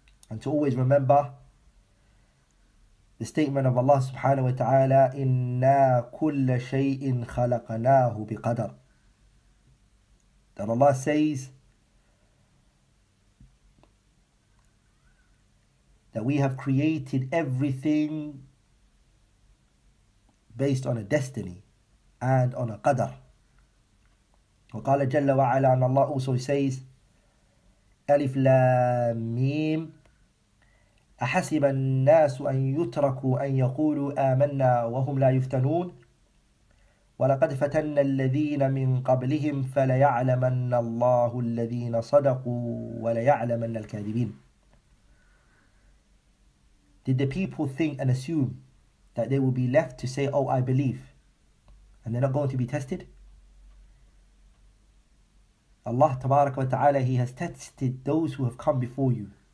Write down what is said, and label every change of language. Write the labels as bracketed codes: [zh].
[en] And to always remember the statement of Allah subhanahu wa ta'ala, [ar] إِنَّا كُلَّ شَيْءٍ خَلَقَنَاهُ بِقَدَرٍ. [en] That Allah says that we have created everything based on a destiny and on a qadr. [ar] وَقَالَ جَلَّ وَعَلَىٰ, [en] and Allah also says, [ar] أَلِفْ لَا مِيمْ أحسب الناس أن يتركوا أن يقولوا آمنا وهم لا يفتنون ولقد فتن الذين من قبلهم فليعلمن الله الذين صدقوا وليعلمن الكاذبين. [en] Did the people think and assume that they will be left to say, oh, I believe, and they're not going to be tested? Allah tabarak wa ta'ala, he has tested those who have come before you.